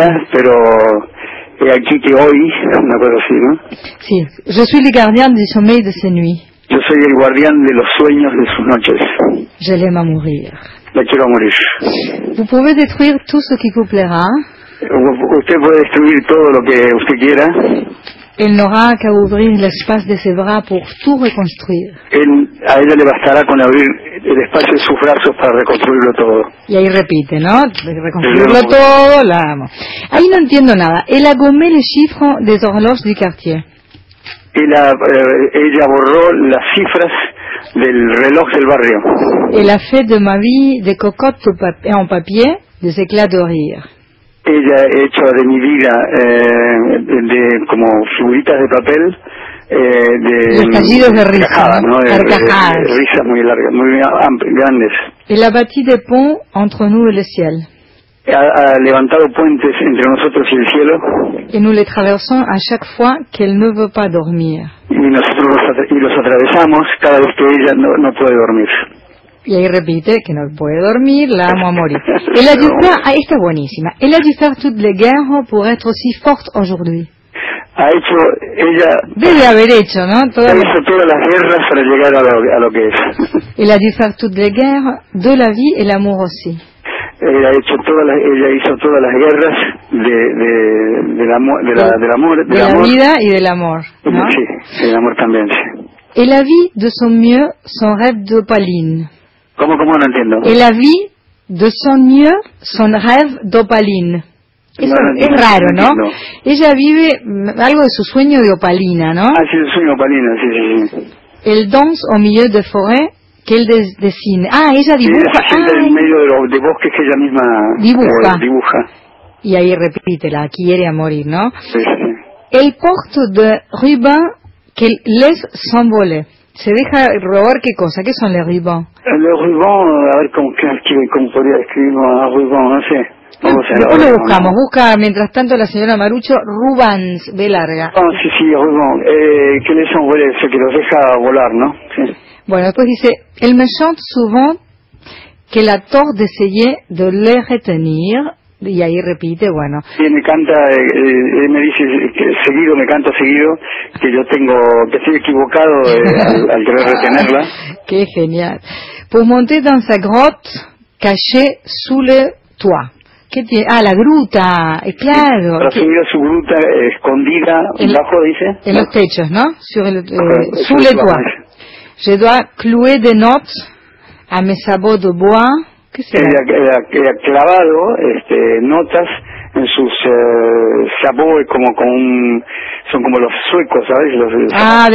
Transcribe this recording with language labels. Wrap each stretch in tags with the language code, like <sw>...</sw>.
<es>Pero aquí que hoy, una cosa así, ¿no?</es> <fr>Sí, je suis le gardien du sommeil de ces nuits.</fr> <es>Yo soy el guardián de los sueños de sus noches.</es> <fr>Je l'aime à mourir.</fr> <es>La quiero a morir.</es> <fr>Vous pouvez détruire tout ce qui vous plaira.</fr> <es>Usted puede destruir todo lo que usted quiera.</es> <fr>Elle n'aura qu'à ouvrir l'espace de ses bras pour tout reconstruire.</fr> <es>A ella le bastará con abrir el espacio de sus brazos para reconstruirlo todo. Y ahí repite, ¿no? Reconstruirlo todo, la amo. Ahí no entiendo nada.</es> <fr>Elle a gommé les chiffres des horloges du quartier.</fr> <es>Ella borró las cifras del reloj del barrio.</es> <fr>Elle a fait de ma vie des cocottes en papier, des éclats de rire.</fr> <es>Ella ha hecho de mi vida de como figuritas de papel de estallidos de risa, carcajadas, risas muy largas, muy grandes.</es> <fr>Elle a bâti des ponts entre nous et le ciel.</fr> <es>Ha levantado puentes entre nosotros y el cielo.</es> <fr>Et nous les traversons à chaque fois qu'elle ne veut pas dormir.</fr> <es>Y nosotros los atravesamos cada vez que ella no puede dormir. Y ahí repite que no puede dormir, la amo a morir. Esta es buenísima.</es> <fr>Elle a dû faire toutes les guerres pour être aussi forte aujourd'hui.</fr> <es>Ha hecho, ella... Debe haber hecho, ¿no? Todas las guerras para llegar a lo que es.</es> <fr>Elle a dû faire toutes les guerres de la vie et l'amour aussi.</fr> <es>Ella hizo todas las guerras de la vida y del amor, ¿no? Sí, el amor también, sí.</es> <fr>Et la vie de son mieux, son rêve de Pauline.</fr> <es>¿Cómo no entiendo?</es> <fr>Et la vie de son mieux, son rêve d'opaline.</fr> <es>Es raro, ¿no? Ella vive algo de su sueño de opalina, ¿no? Ah, sí, el sueño de opalina, sí.</es> <fr>Elle danse au milieu de forêt que él dessine.</fr> <es>Ah, ella dibuja. Sí, ella en medio de bosques que ella misma dibuja. Y ahí repite, la quiere a morir, ¿no? Sí.</es> <fr>Elle porte de rubans que laisse s'envoler.</fr> <es>Se deja robar, ¿qué cosa? ¿Qué son los rubans? Los rubans, a ver cómo podría escribirlo, rubans, no sé. Después lo buscamos, busca mientras tanto la señora Marucho, rubans, de larga. Ah, oh, sí, rubans, que les son vuelos, que los deja volar, ¿no? Sí. Bueno, después dice, él</es> <fr>me chante souvent que la torre d'essayé de le retenir,</fr> <es>y ahí repite, bueno. Sí, me canta, me dice que seguido, me canta seguido, que yo tengo, que estoy equivocado al querer retenerla. Qué genial.</es> <fr>Pour monter dans sa grotte cachée sous le toit.</fr> <es>¿Qué tiene? Ah, la gruta, claro. Para subir a su gruta escondida, bajo, dice. En los techos, ¿no?</es> <fr>Sous le toit. Je dois clouer des notes à mes sabots de bois.</fr> <es>Ella ha clavado notas en sus sabots, son como los suecos, ¿sabes?</es>